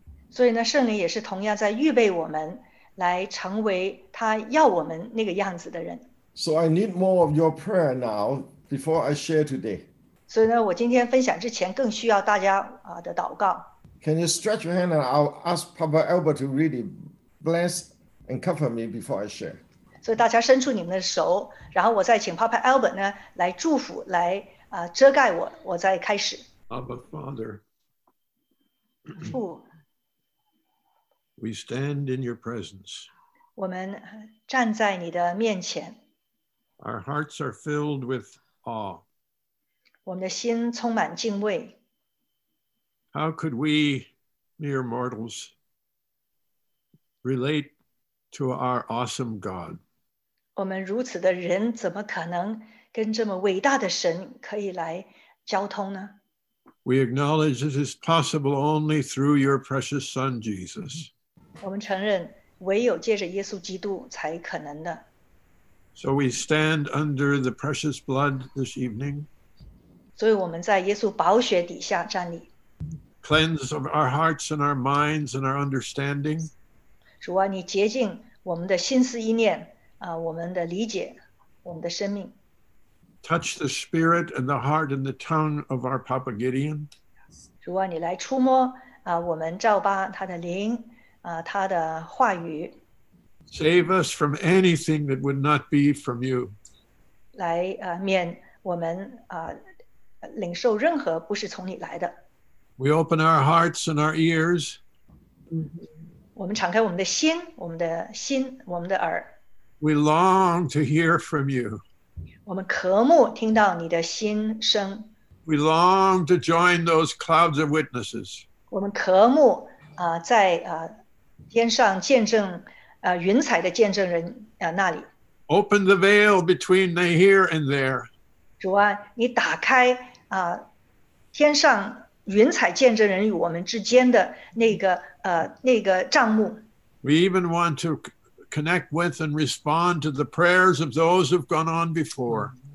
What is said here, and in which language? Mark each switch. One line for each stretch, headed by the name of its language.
Chinese: 所以呢，圣灵也是同样在预备我们来成为他要我们那个样子的人。
English: So I need more of your prayer now before I share today.
Chinese: 所以呢，我今天分享之前更需要大家的祷告。
English: Can you stretch your hand and I'll ask Papa Albert to really bless and cover me before I share?
Chinese: 所以大家伸出你们的手，然后我再请 Papa Albert 呢来祝福，来遮盖我再开始。
English: Abba Father,
Chinese: 父，
English: we stand in your presence.
Chinese: 我们站在你的面前。
English: Our hearts are filled with awe.
Chinese: 我们的心充满敬畏。
English: How could we, mere mortals, relate to our awesome God?
Chinese: 我们如此的人，怎么可能跟这么伟大的神可以来交通呢？
English: We acknowledge this is possible only through your precious Son, Jesus.
Chinese: 我们承认，唯有借着耶稣基督才可能的。
English: So we stand under the precious blood this evening.
Chinese: 所以我们在耶稣宝血底下站立。
English: Cleanse of our hearts and our minds and our understanding.
Chinese: 主啊，你洁净我们的心思意念，我们的理解，我们的生命。
English: Touch the spirit and the heart and the tongue of our Papa Gideon.
Chinese: 主啊，你来触摸，我们照吧他的灵，他的话语。
English: Save us from anything that would not be from you.
Chinese: 来，免我们领受任何不是从你来的。
English: We open our hearts and our ears.
Chinese: 我们敞开我们的心，我们的心，我们的耳。
English: We long to hear from you.
Chinese: 我们渴慕听到你的心声。
English: We long to join those clouds of witnesses.
Chinese: 我们渴慕在天上见证云彩的见证人那里。
English: Open the veil between the here and there.
Chinese: 主啊，你打开天上云彩见证人与我们之间的那个帐幕。
English: We even want to connect with and respond to the prayers of those who've gone on before.